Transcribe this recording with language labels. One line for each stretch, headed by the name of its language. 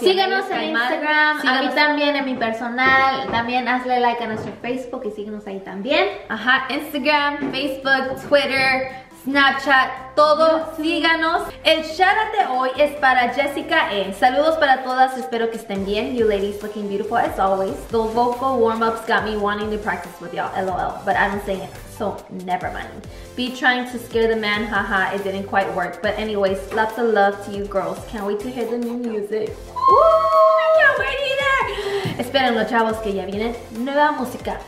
Spanish: Si síguenos en Instagram, síganos. A mí también en mi personal. También hazle like a nuestro Facebook y síguenos ahí también. Ajá, Instagram, Facebook, Twitter, Snapchat, todo, síganos. El shoutout de hoy es para Jessica E. Saludos para todas, espero que estén bien.
English: You ladies looking beautiful as always. The vocal warm-ups got me wanting to practice with y'all, lol. But I don't sing it, so never mind. Be trying to scare the man, haha, it didn't quite work. But anyways, lots of love to you girls. Can't wait to hear the new music. Woo! I can't wait either!
Spanish: Espérenlo, chavos, que ya viene nueva música.